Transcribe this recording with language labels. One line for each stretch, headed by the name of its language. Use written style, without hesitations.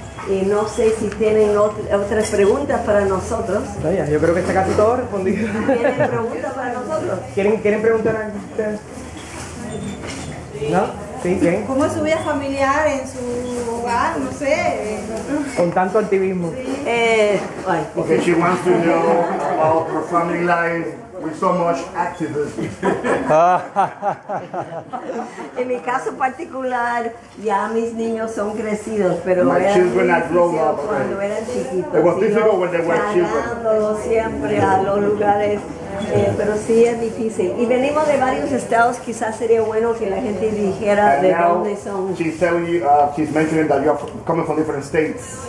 Spanish: Y no sé si tienen otras preguntas para nosotros. Vaya, yo creo que está casi todo respondido. ¿Tienen preguntas para nosotros? ¿Quieren preguntar a ustedes? ¿No? Sí, bien. ¿Cómo es su vida familiar en su hogar? No sé. Con tanto activismo. Sí.
English: Okay, she wants to know about her family life with so much activism.
Spanish: En mi caso particular, ya mis niños son crecidos, pero
English: my children had grown up.
Spanish: Cuando eran chiquitos.
English: It was difficult when they were children.
Spanish: Ganándolo siempre a los lugares. Pero sí es difícil. Y venimos de varios estados, quizás sería bueno que la gente dijera
English: and
Spanish: de dónde son.
English: She's telling you, she's mentioning that you're coming from different states.